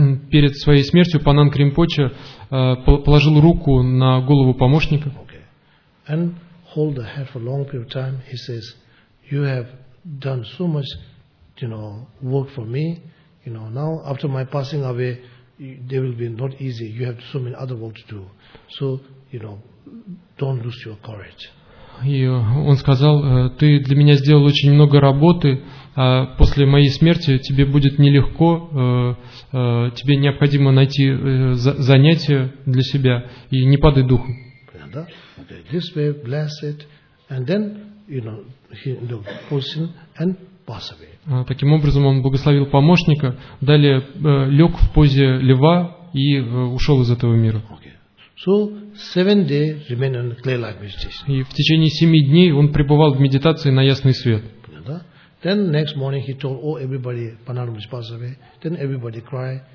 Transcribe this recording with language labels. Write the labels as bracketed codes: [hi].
[ru] Перед своей смертью Панан Кримпоче положил руку на голову помощника. [en] Okay. And hold the head for a long period of time. He says, "You have done so much, you know, work for me. You know, now after my passing away, they will be not easy. You have so many other work to do. So, you know." Don't lose your courage. [ru] И он сказал, ты для меня сделал очень много работы, а после моей смерти тебе будет нелегко, тебе необходимо найти занятие для себя, и не падай духом. [en] This way, bless it, and then, you know, he looked person and pass away. [ru] Таким образом, он благословил помощника, далее лег в позе льва и ушел из этого мира. [en] So 7 days remain on clear light meditation. [ru] И в течение 7 дней он пребывал в медитации на ясный свет. [en] Then next morning he told all everybody Panan Rinpoche passed away. Then everybody cry.